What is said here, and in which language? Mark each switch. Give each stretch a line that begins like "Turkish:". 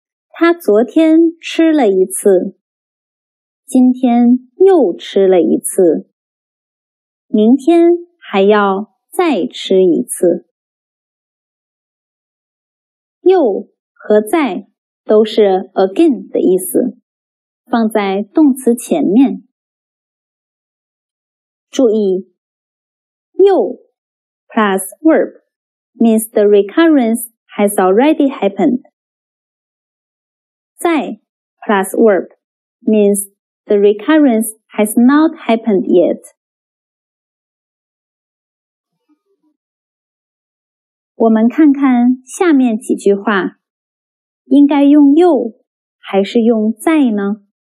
Chinese: 他昨天吃了一次，今天又吃了一次，明天还要再吃一次。又和再都是 again 的意思，放在动词前面。注意，
English: 又 plus verb means the recurrence has already happened。再 plus verb means the recurrence has not happened yet。
Chinese: 我们看看下面几句话，应该用又还是用再呢？